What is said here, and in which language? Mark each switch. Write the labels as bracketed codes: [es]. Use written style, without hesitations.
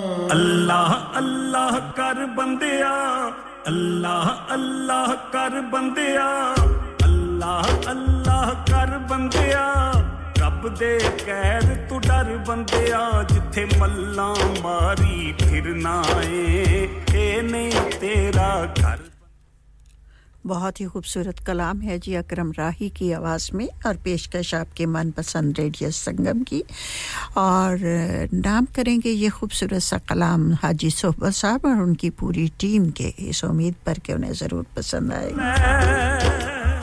[pa] اللہ اللہ کر بندیا, اللہ اللہ کر بندیا, اللہ اللہ کر بندیا, رب دے قہر تو ڈر بندیا. جتھے ملاں ماری پھرنا اے, اے نہیں تیرا گھر. [ur] بہت ہی خوبصورت کلام ہے جی اکرم راہی کی آواز میں, اور پیشکش آپ کے من پسند ریڈیو سنگم کی. اور نام کریں گے یہ خوبصورت سا کلام حاجی صحبت صاحب اور ان کی پوری ٹیم کے, اس امید پر کہ انہیں ضرور پسند آئے گا.